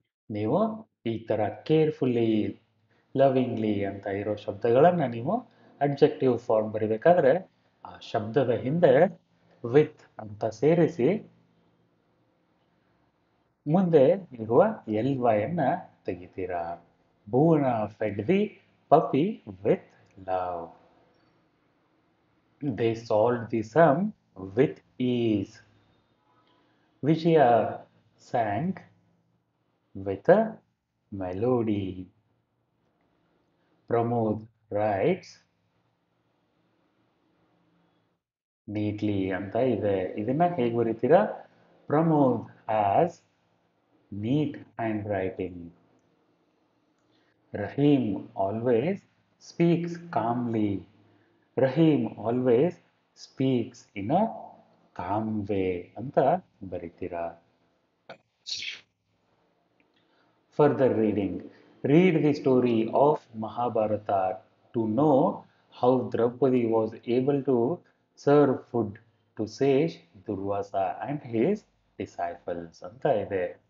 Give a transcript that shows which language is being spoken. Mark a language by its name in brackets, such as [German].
[Kannada] ನೀವು ಈ ತರ ಕೇರ್ಫುಲ್ಲಿ ಲವಿಂಗ್ಲಿ ಅಂತ ಇರೋ ಶಬ್ದಗಳನ್ನ ನೀವು ಅಬ್ಜೆಕ್ಟಿವ್ ಫಾರ್ಮ್ ಬರಿಬೇಕಾದ್ರೆ ಆ ಶಬ್ದದ ಹಿಂದೆ ವಿತ್ ಅಂತ ಸೇರಿಸಿ ಮುಂದೆ ಇರುವ ಎಲ್ ವೈ ಅನ್ನ ತೆಗಿತೀರಾ. [English] Bhuvana fed the puppy with love. They solved the sum with ease. Vijaya sang with a melody. Pramod writes neatly. [Kannada] Anta ide idanna hege barithira? [English] Pramod has neat handwriting. Rahim always speaks calmly. Rahim always speaks in a calm way [Kannada] ಅಂತ ಬರೀತೀರಾ. [English] further reading, read the story of Mahabharata to know how Draupadi was able to serve food to sage Durvasa and his disciples [Kannada] ಅಂತ ಇದೆ.